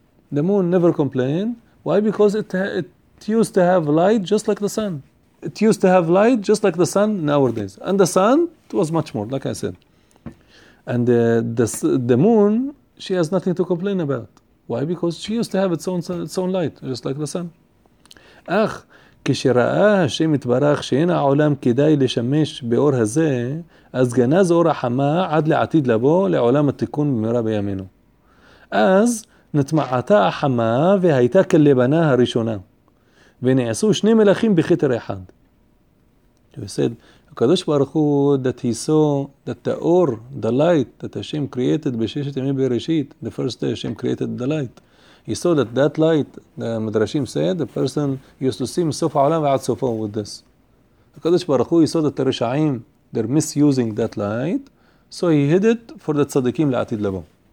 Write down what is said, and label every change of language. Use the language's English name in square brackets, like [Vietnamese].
[English] The moon never complained. Why? Because it used to have light just like the sun. It used to have light just like the sun nowadays. And the sun, it was much more, like I said. And the moon, she has nothing to complain about. Why? Because she used to have its own light, just like the sun. [Hebrew] אך כשראה השם יתברך שאין העולם כדאי לשמש באור הזה, אז גנז אור החמה עד לעתיד לבוא לעולם התיקון במהרה בימינו. אז נתמעתה החמה והייתה כלבנה הראשונה, ונעשו שני מלאכים בכתר אחד. [English] וסד, הקדוש ברוך הוא that he saw that the aur, the light that Hashem created [Hebrew] בששת ימי בראשית, [English] the first day Hashem created the light. He saw that that light, the Midrashim said, the person used to see himself [Hebrew] alam wa'ad sofa [English] with this. HaKadosh Baruch Hu, he saw that the Rishayim, they're misusing that light, so he hid it for the Tzadikim la'atid labo.